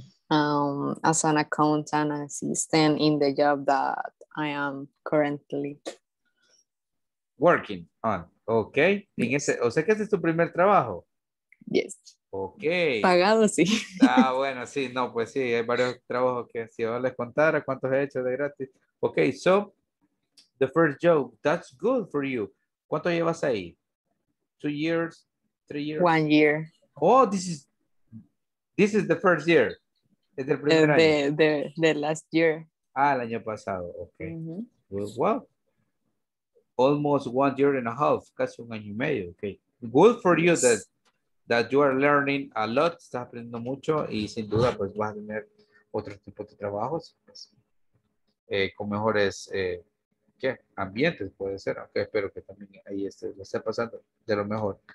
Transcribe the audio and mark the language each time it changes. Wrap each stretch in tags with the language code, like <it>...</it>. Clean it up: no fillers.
<en>As an accountant assistant in the job that I am currently working on. Okay. Yes.</en> <es>O sea que ese es tu primer trabajo.</es> <en>Yes. Ok.</en> <es>Pagado, sí. Ah, bueno, sí, no, pues sí, hay varios trabajos que si yo les contara cuántos he hecho de gratis.</es> <en>Ok, so, the first job. That's good for you.</en> <es>¿Cuánto llevas ahí?</es> <en>2 years, 3 years? 1 year. Oh, this is the first year.</en> <es>Es del primer año.</es> <en>The last year.</en> <es>Ah, el año pasado.</es> <en>Okay. Mm-hmm. Well, almost 1 year and a half.</en> <es>Casi un año y medio.</es> <en>Okay. Good for you that you are learning a lot.</en> <es>Estás aprendiendo mucho y sin duda pues vas a tener otro tipo de trabajos. Pues, con mejores ¿qué? Ambientes puede ser. Okay. Espero que también ahí lo esté pasando de lo mejor.</es>